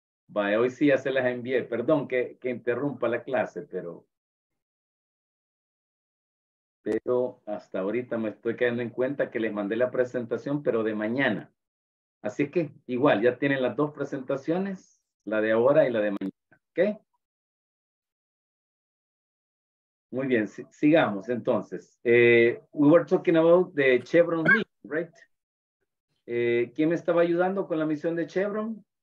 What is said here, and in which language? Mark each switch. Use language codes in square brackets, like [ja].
[es] Vaya, hoy sí ya se las envié. Perdón que interrumpa la clase, pero hasta ahorita me estoy cayendo en cuenta que les mandé la presentación, pero de mañana. Así que, igual, ya tienen las dos presentaciones, la de ahora y la de mañana. ¿Ok? Muy bien, sigamos entonces. [en] We were talking about the Chevron mission, right? [es] ¿Quién me estaba ayudando con la misión de Chevron?